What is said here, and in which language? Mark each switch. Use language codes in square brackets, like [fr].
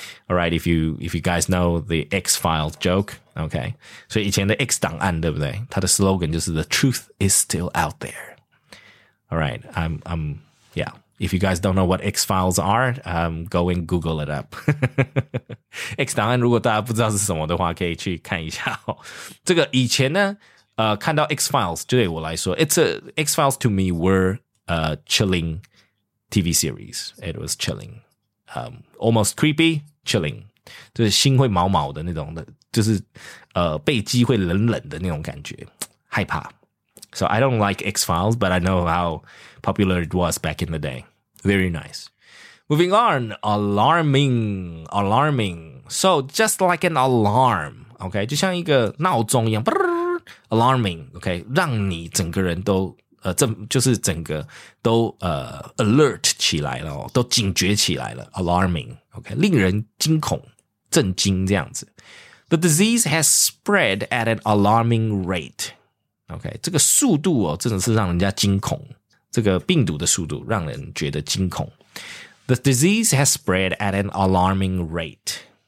[en] Alright, if you guys know the X-Files joke,Okay, so [zh] 以前的 X 档案对不对？ [en] 它的 slogan 就是 The truth is still out there. All right, I'm yeah. If you guys don't know what X-Files are, go and Google it up. [zh] X 档案如果大家不知道是什么的话，可以去看一下、哦。这个以前呢，看到 X-Files 对我来说 [en] ，X-Files to me were a chilling TV series. It was chilling, almost creepy, chilling. [zh] 就是心会毛毛的那种的。就是背脊会冷冷的那种感觉害怕 [en] So I don't like X-Files But I know how popular it was back in the day Very nice Moving on Alarming So just like an alarm okay, [zh] 就像一个闹钟一样 [en] Alarming okay, [zh] 让你整个人都就是整个都alert 起来了 [en] 都警觉起来了 Alarming okay, [zh] 令人惊恐震惊这样子 [en] The disease has spread at an alarming rate. [zh] Okay, 这个速度哦，真的是让人家惊恐。这个病毒的速度让人觉得惊恐。 [en] The disease has spread at an alarming rate.